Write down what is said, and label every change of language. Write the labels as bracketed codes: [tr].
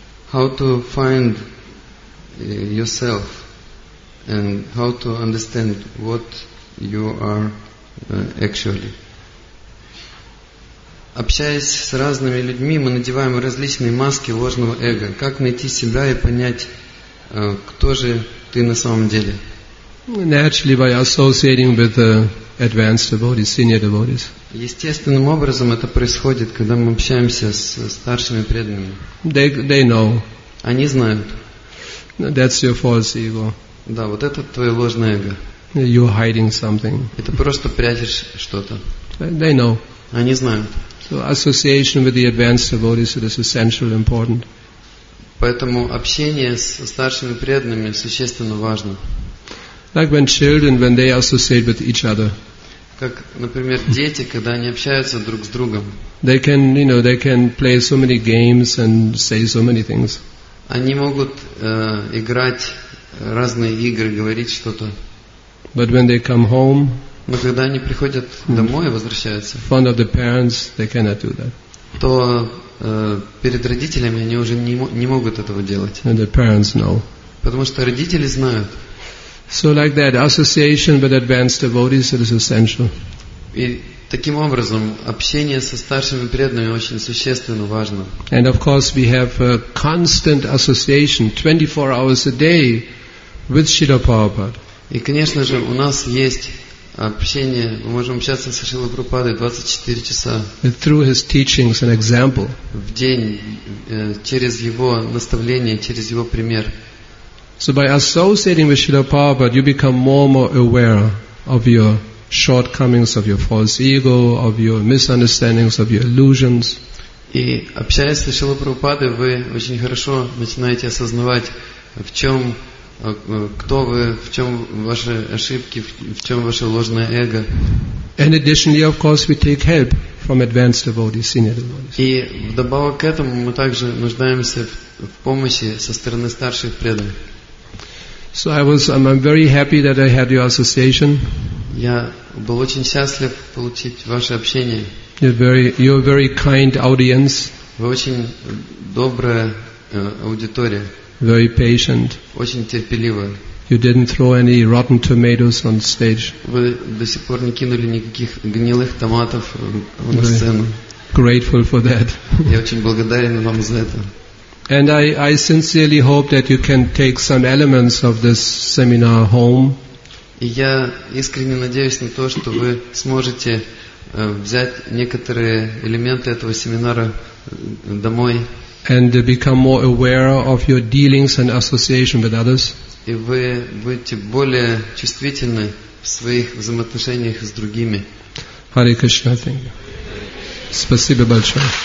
[en] How to find yourself and how to understand what you are actually? [ru] Общаясь с разными людьми, мы надеваем различные маски ложного эго. Как найти себя и понять, кто же ты на самом деле? [en] Naturally, by associating with advanced devotees, senior devotees. [ru] Естественным образом это происходит, когда мы общаемся с старшими преданными. [en] They know. [ru] Они знают. [en] That's your false ego. [ru] Да, вот это твое ложное эго. [en] You're hiding something. [ru] Это просто прячешь что-то. [en] They know. [ru] Они знают. [en] So association with the advanced devotees is essential, important. [ru] Поэтому общение со старшими преданными существенно важно. [en] Like when children, when they associate with each other. [ru] Как, например, дети, когда они общаются друг с другом. [en] They can, you know, they can play so many games and say so many things. [ru] Они могут играть разные игры, говорить что-то. [en] But when they come home. [ru] Но когда они приходят домой и возвращаются, [en] front of the parents, they cannot do that. [ru] То перед родителями они уже не могут этого делать. [en] And the parents know. [ru] Потому что родители знают. [en] So like that, association with advanced devotees is essential. [ru] И таким образом, общение со старшими преданными очень существенно важно. [en] And of course we have a constant association 24 hours a day with Srila Prabhupada. [ru] И, конечно же, у нас есть общение, мы можем общаться со Шрилой Прабхупадой 24 часа. [en] And through his teachings and example. [ru] В день, через его наставление, через его пример. [en] So by associating with Srila Prabhupada, you become more and more aware of your shortcomings, of your false ego, of your misunderstandings, of your illusions. [ru] И общаясь со Шрилой Прабхупадой, вы очень хорошо начинаете осознавать, в чем, кто вы, в чем ваши ошибки, в чем ваше ложное эго. [en] And additionally, of course, we take help from advanced devotees, senior devotees. [ru] И вдобавок к этому мы также нуждаемся в помощи со стороны старших преданных. [en] So I'm very happy that I had your association. [ru] Я был очень счастлив получить ваше общение. [en] You're a very kind audience. [ru] Вы очень добрая аудитория. [en] Very patient. [ru] Очень терпеливая. [en] You didn't throw any rotten tomatoes on stage. [ru] Вы до сих пор не кинули никаких гнилых томатов на сцену. [en] Grateful for that. [ru] Я очень благодарен вам за это. [en] And I sincerely hope that you can take some elements of this seminar home. [ru] И я искренне надеюсь на то, что вы сможете взять некоторые элементы этого семинара домой. [en] And become more aware of your dealings and association with others. [ru] И вы будете более чувствительны в своих взаимоотношениях с другими. [en] Hare Krishna, thank you. [ru] Спасибо большое.